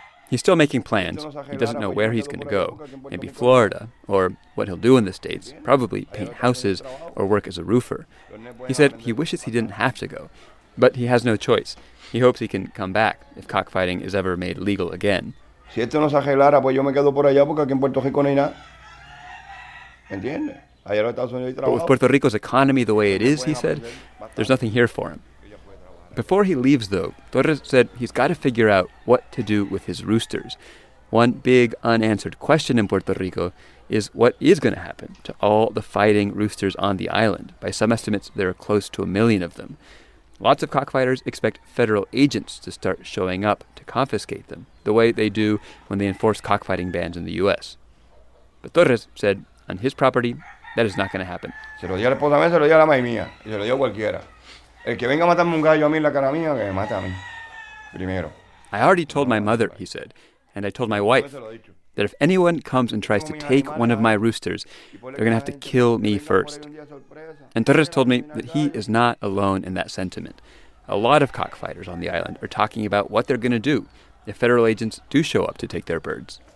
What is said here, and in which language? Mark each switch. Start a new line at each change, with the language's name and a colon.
English: He's still making plans. He doesn't know where he's going to go. Maybe Florida, or what he'll do in the States, probably paint houses or work as a roofer. He said he wishes he didn't have to go. But he has no choice. He hopes he can come back if cockfighting is ever made legal again.
Spanish: Si esto no se arreglara, pues yo me quedo por allá porque aquí en Puerto Rico no hay nada. ¿Entiendes?
English: But with Puerto Rico's economy the way it is, he said, there's nothing here for him. Before he leaves, though, Torres said he's got to figure out what to do with his roosters. One big unanswered question in Puerto Rico is what is going to happen to all the fighting roosters on the island. By some estimates, there are close to 1 million of them. Lots of cockfighters expect federal agents to start showing up to confiscate them, the way they do when they enforce cockfighting bans in the U.S. But Torres said on his property, that is not going to happen.
Spanish: Se lo dio a la esposa mía, se lo dio a la madre mía, y se lo dio a cualquiera. El que venga a matarme un gallo a mí en la cara mía, que me mate a mí. Primero.
English: I already told my mother, he said, and I told my wife, that if anyone comes and tries to take one of my roosters, they're going to have to kill me first. And Torres told me that he is not alone in that sentiment. A lot of cockfighters on the island are talking about what they're going to do if federal agents do show up to take their birds.